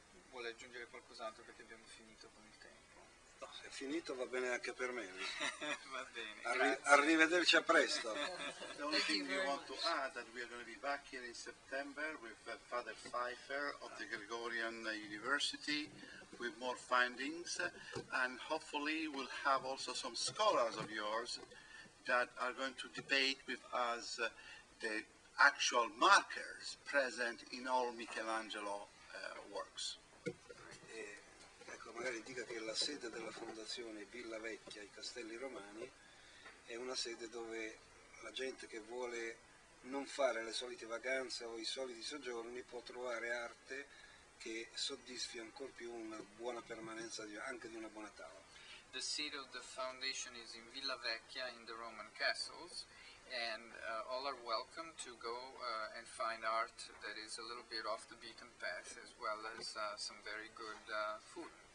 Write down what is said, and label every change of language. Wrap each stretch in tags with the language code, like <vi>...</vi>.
<it>Vuole aggiungere qualcos'altro, perché abbiamo finito con il tempo. No, se è finito va bene anche per me. Va bene. Arrivederci a presto.</it> <en>The only thing we want to add that we are going to be back here in September with Father Pfeiffer of the Gregorian University with more findings, and hopefully we'll have also some scholars of yours that are going to debate with us the actual markers present in all Michelangelo works.</en> <it>Ecco, magari dica che la sede della fondazione Villa Vecchia, i Castelli Romani, è una sede dove la gente che vuole non fare le solite vacanze o i soliti soggiorni può trovare arte che soddisfi ancor più una buona permanenza, anche di una buona tavola.</it> <en>The seat of the foundation is in Villa Vecchia in the Roman castles. And all are welcome to go and find art that is a little bit off the beaten path, as well as some very good food.</en>